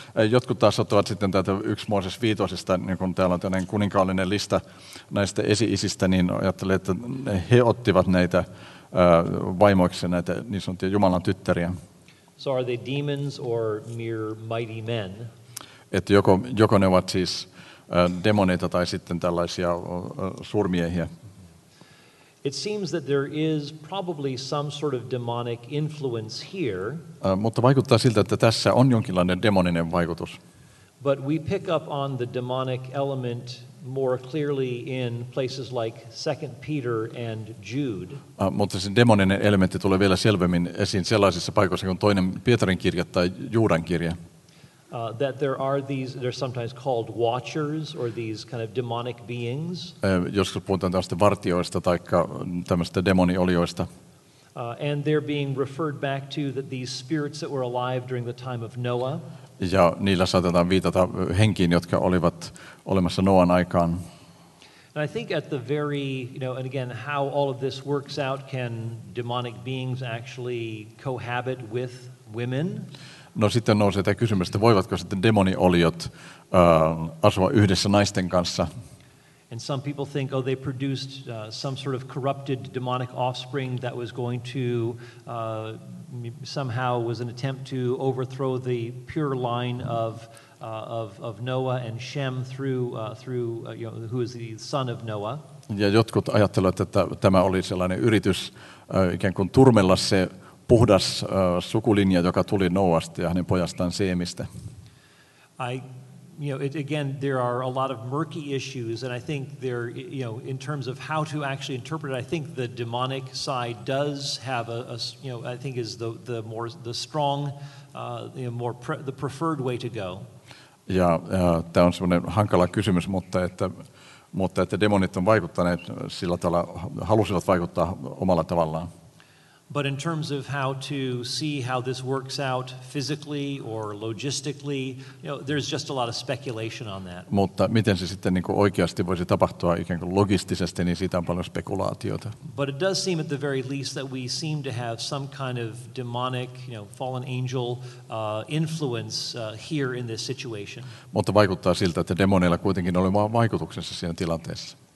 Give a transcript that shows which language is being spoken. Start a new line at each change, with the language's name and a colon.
Finnish: Jotkut taas ottavat sitten tätä 1 Mooses 5, niin kun täällä on tämmöinen kuninkaallinen lista näistä esi-isistä, niin ajattelee, että he ottivat näitä vaimoiksi näitä niin sanottuja Jumalan tyttäriä.
English: So are they demons or mere mighty men?
Finnish: Että joko ne ovat siis demoneita tai sitten tällaisia suurmiehiä.
English: It seems that there is probably some sort of demonic influence here.
Finnish: Mutta vaikuttaa siltä, että tässä on jonkinlainen demoninen vaikutus.
English: But we pick up on the demonic element more clearly in places like 2 Peter and Jude.
Finnish: Mutta se demoninen elementti tulee vielä selvemmin esiin sellaisissa paikoissa kuin toinen Pietarin kirja tai Juudan kirja.
English: That there are these, they're sometimes called watchers or these kind of demonic beings.
Finnish: Joskus puhutaan tämmöistä vartioista tai tämmöistä demonioljoista.
English: And they're being referred back to that these spirits that were alive during the time of Noah.
Finnish: Ja niillä saatetaan viitata henkiin, jotka olivat olemassa Noan aikaan.
English: And I think at the very, and again, how all of this works out, can demonic beings actually cohabit with women?
Finnish: No sitten nousee tämä kysymys, että voivatko sitten demonioliot asua yhdessä naisten kanssa?
English: And some people think, oh, they produced some sort of corrupted demonic offspring that was going to somehow was an attempt to overthrow the pure line of Noah and Shem through you know, who is the son of Noah.
Finnish: Ja jotkut ajattelevat, että tämä oli sellainen yritys ikään kuin turmella se puhdas sukulinja, joka tuli Noasta ja hänen pojastaan Seemistä.
English: Again, there are a lot of murky issues, and I think there, you know, in terms of how to actually interpret it, I think the demonic side does have a you know, I think is the preferred way to go.
Finnish: Ja tämä on semmoinen hankala kysymys, mutta että demonit on vaikuttaneet sillä tavalla, halusivat vaikuttaa omalla tavallaan.
English: But in terms of how to see how this works out physically or logistically, you know, there's just a lot of speculation on that.
Finnish: Mutta miten se sitten niin kuin oikeasti voisi tapahtua ikään kuin logistisesti, niin siitä on paljon spekulaatiota.
English: But it does seem at the very least that we seem to have some kind of demonic, you know, fallen angel influence here in this situation.
Finnish: Mutta vaikuttaa siltä, että demoneilla kuitenkin oli vaikutuksensa siinä tilanteessa.